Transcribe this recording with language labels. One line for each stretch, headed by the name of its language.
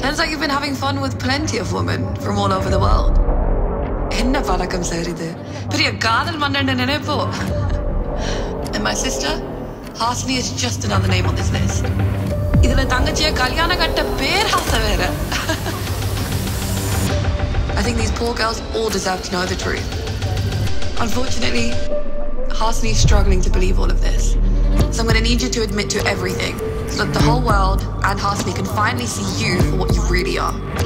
English: You've been having fun with plenty of women from all over the world.
Tamil: என்ன பழக்கம் sir இது? பெரிய காதல் மன்னன் நினைப்போ.
English: And my sister, Hasani is just another name on this list.
Tamil: இதுல தங்கச்சிய கல்யாணம் கட்ட பேர் ஹாச வேற.
English: I think these poor girls all deserve to know the truth. Unfortunately, Hasani is struggling to believe all of this. So I'm going to need you to admit to everything so that the whole world and Hasani can finally see you for what you really are.